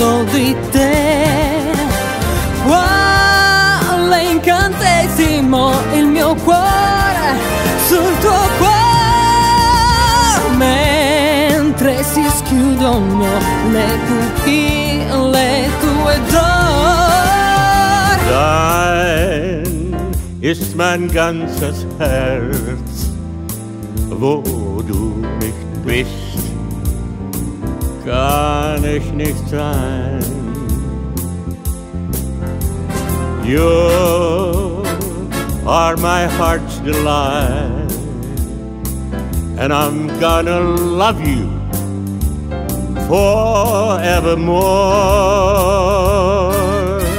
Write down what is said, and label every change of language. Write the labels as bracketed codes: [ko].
[it] di te. Quale incantesimo il mio cuore sul tuo cuore, mentre si schiudono le pupille tue d'or. [de] Dein ist mein ganzes Herz, wo du nicht bist, kann ich nicht sein. [en] You are my heart's delight, and I'm gonna love you forevermore.